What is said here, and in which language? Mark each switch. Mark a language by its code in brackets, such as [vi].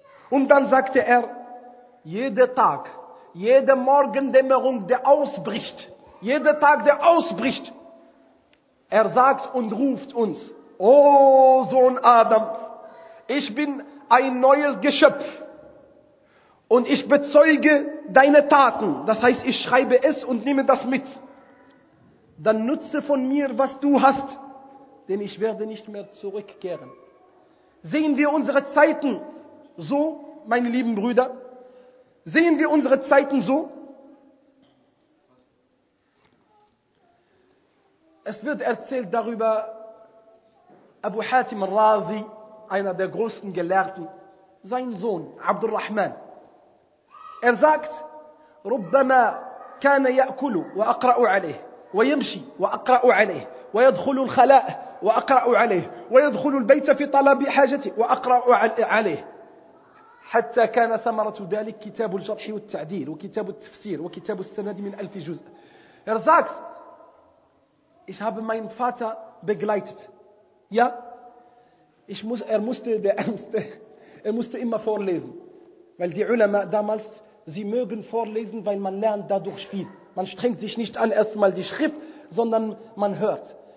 [de] Und dann sagte er, jeder Tag, jede Morgendämmerung, der ausbricht, jeder Tag, der ausbricht, er sagt und ruft uns, O Sohn Adam, ich bin ein neues Geschöpf und ich bezeuge deine Taten, das heißt, ich schreibe es und nehme das mit. Dann nutze von mir, was du hast, denn ich werde nicht mehr zurückkehren. Sehen wir unsere Zeiten so, meine lieben Brüder, sehen wir unsere Zeiten so? Es wird erzählt darüber, Abu Hatim al-Razi, einer der großen Gelehrten, sein Sohn, Abdurrahman, er sagt, [ar] رُبَّمَا كَانَ يَأْكُلُ وَأَقْرَأُ عَلَيْهِ وَيَمْشِي وَأَقْرَأُ عَلَيْهِ وَيَدْخُلُ الْخَلَاءِ وَأَقْرَأُ عَلَيْهِ وَيَدْخُلُ الْبَيْتَ فِي طَلَبِ حَاجَتِهِ وَأَقْرَأُ عَلَيْهِ حتى كان ثمرة ذلك كتاب الجرح والتعديل وكتاب التفسير وكتاب السند من ألف جزء. [de] Er sagt, ich habe meinen Vater begleitet. Ja, er musste immer vorlesen. Weil die Ulama damals, sie mögen vorlesen, weil man lernt dadurch viel. Man strengt sich nicht an erstmal die Schrift, sondern man hört.